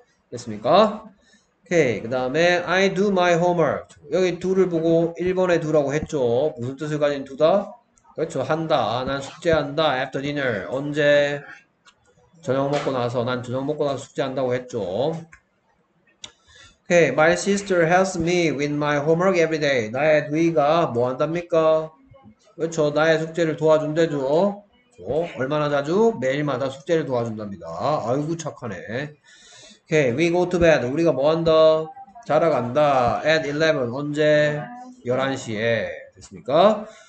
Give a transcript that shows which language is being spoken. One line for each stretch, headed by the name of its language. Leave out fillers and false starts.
Korean: 됐습니까? 오케이. 그 다음에,
English: I do my homework.
Korean: 여기 do를 보고 1번에 do라고 했죠. 무슨 뜻을 가진 do다? 그렇죠. 한다. 난 숙제한다.
English: after dinner.
Korean: 언제? 저녁 먹고 나서. 난 저녁 먹고 나서 숙제한다고 했죠.
English: Okay, my sister helps me with my homework every day.
Korean: 나의 누이가 뭐 한답니까? 그렇죠. 나의 숙제를 도와준대죠. 얼마나 자주? 매일마다 숙제를 도와준답니다. 아이고, 착하네. Okay,
English: we go to bed.
Korean: 우리가 뭐 한다? 자러 간다.
English: At 11.
Korean: 언제? 11시에. 됐습니까?